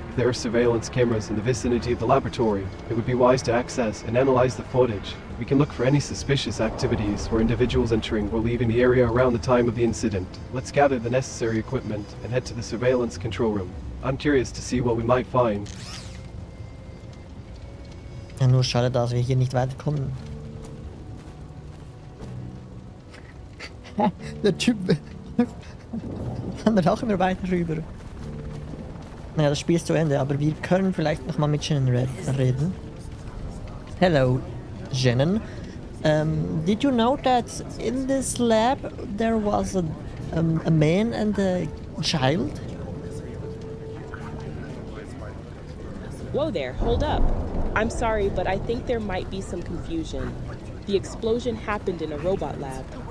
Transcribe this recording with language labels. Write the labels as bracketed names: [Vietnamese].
[English] If there are surveillance cameras in the vicinity of the laboratory, it would be wise to access and analyze the footage. We can look for any suspicious activities or individuals entering or leaving the area around the time of the incident. Let's gather the necessary equipment and head to the surveillance control room. I'm curious to see what we might find. [German] Ja, nur schade, dass wir hier nicht weiterkommen. Der Typ... wandert auch immer weiter rüber. Naja, das Spiel ist zu Ende, aber wir können vielleicht nochmal mit Jenen reden. [English] Hello, Jenen. Did you know that in this lab there was a man and a child? Whoa there, hold up. I'm sorry, but I think there might be some confusion. The explosion happened in a robot lab.